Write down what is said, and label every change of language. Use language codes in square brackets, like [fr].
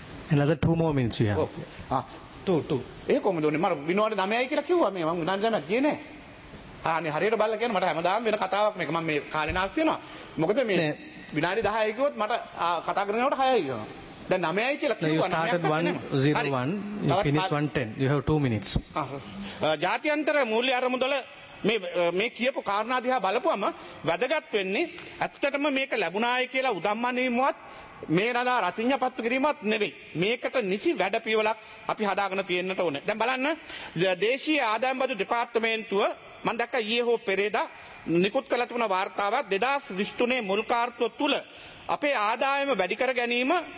[en] Another 2 more minutes you have. Okay. [si] ඒ කොහමද උනේ මම විනෝඩ 9යි කියලා කිව්වා මේ මම විනාඩි 9ක් ගියේ නෑ ආනේ හරියට බලලා කියන්න මට හැමදාම වෙන කතාවක් මේක මම මේ කාලේ නාස්ති වෙනවා මොකද මේ විනාඩි 10යි කිව්වොත් මට කතා කරගෙන යනකොට 6යි යනවා දැන් 9යි කියලා කිව්වා නේද you started 101 you finished 110 you have 2 minutes ජාත්‍යන්තර මූල්‍ය අරමුදල මේ කියපු කාරණා දිහා බලපුවම වැදගත් වෙන්නේ ඇත්තටම මේක ලැබුණායි කියලා උදම්මනීමවත් මේ රදා රතිඤ්ඤපත්තු කිරීමත් නෙවෙයි මේකට නිසි වැඩපිළිවෙලක් අපි හදාගෙන තියෙන්නට ඕනේ දැන් බලන්න දේශීය ආදායම් බදු දෙපාර්තමේන්තුව මම දැක්ක ඊයේ හෝ පෙරේදා නිකුත් කළ තිබුණ වාර්තාව 2023 මුල් කාර්තව තුල අපේ ආදායම වැඩි කර ගැනීම